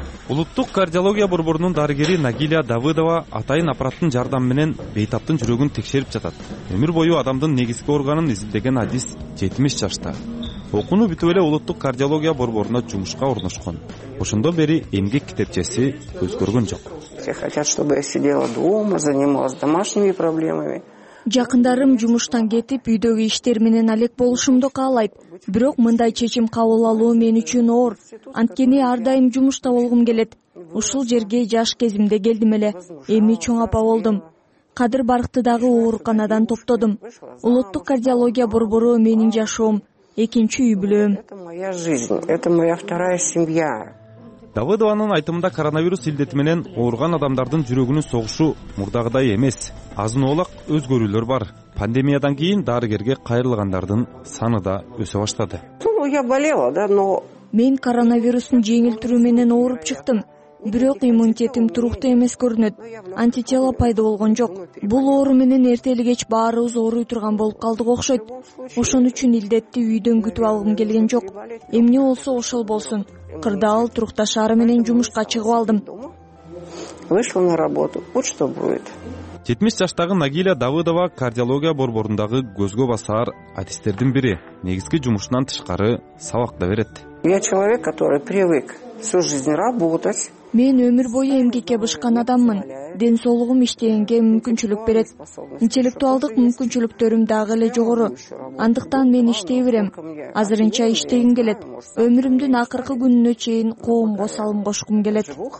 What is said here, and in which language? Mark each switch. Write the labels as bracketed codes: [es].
[ky] Улуттук кардиология борборунун дарыгери Нагиля Давыдова атайын аппараттын жардамы менен бейтаптын жүрөгүн текшерип жатат. Өмүр бою адамдын негизги органын изилдеген адис 70 жашта. Окууну бүтүп эле улуттук кардиология борборуна жумушка орношкон. Ошондон бери эмгек китепчеси өзгөргөн жок. [ru] Все хотят, чтобы я сидела дома, занималась домашними проблемами. [ky] Жакындарым жумуштан кетип, үйдөгү иштер менен алек болушумду каалайт. Бирок мындай чечим кабыл алуу мен үчүн оор. Анткени ар дайым жумушта болгум келет. Ушул жерге жаш кезимде келдим эле. Эми чоң апа болдум. Кадыр Барыкты дагы ооруканадан топтодум. Улуттук кардиология борбору менин жашоом, экинчи үй бүлөм. [ru] Это моя жизнь, это моя вторая семья. [ky] Давыдованын айтымында коронавирус илдети менен ооруган адамдардын жүрөгүнүн согушу мурдагыдай эмес. Азын оолак өзгөрүүлөр бар. Пандемиядан кийин дарыгерге кайрылгандардын саны да өсө баштады. [ru] Я болела, да, но [ky] мен коронавирусун жеңилтүрүү менен ооруп чыктым. Бирок иммунитетим туруктуу эмес көрүнөт. Антитела пайда болгон жок. Бул оору менен эртели кеч баарыбыз ооруй турган болуп калдык окшойт. Ошон үчүн илдетти үйдөн күтүп алгым келген жок. Эмне болсо ошол болсун. Кырдаал туркташары менен жумушка чыгып алдым. [ru] Вышла на работу. Вот что будет. [ky] 70 жаштагы Нагиля Давыдова кардиология борборундагы көзгө басар адистердин бири. Негизги жумушунан тышкары сабак да берет. [ru] Я человек, который привык всю жизнь работать. [ky] Мен өмүр бою эмгекке бышкан адаммын. Ден соолугум иштегенге мүмкүнчүлүк берет. Интеллектуалдык мүмкүнчүлүктөрүм дагы эле жогору. Андыктан мен иштей берем. Азырынча иштегим келет. Өмүрүмдүн акыркы күнүнө чейин коомго салым кошкум келет.